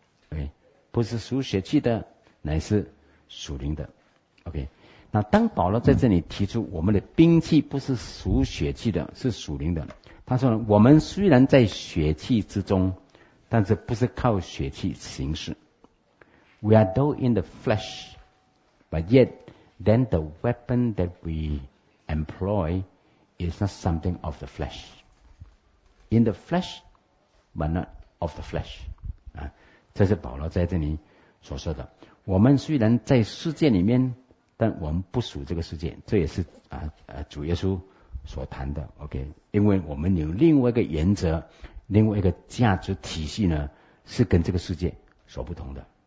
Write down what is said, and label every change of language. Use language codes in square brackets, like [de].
[zh] OK， 不是属血气的，乃是属灵的。 OK， 那当保罗在这里提出我们的兵器不是属血气的，是属灵的，他说呢，我们虽然在血气之中，但是不是靠血气行事。 [en] We are though in the flesh, but yet then the weapon that we employ is not something of the flesh. In the flesh, but not of the flesh. [zh] 啊，这是保罗在这里所说的。我们虽然在世界里面，但我们不属这个世界。这也是主耶稣所谈的。OK， 因为我们有另外一个原则，另外一个价值体系呢，是跟这个世界所不同的。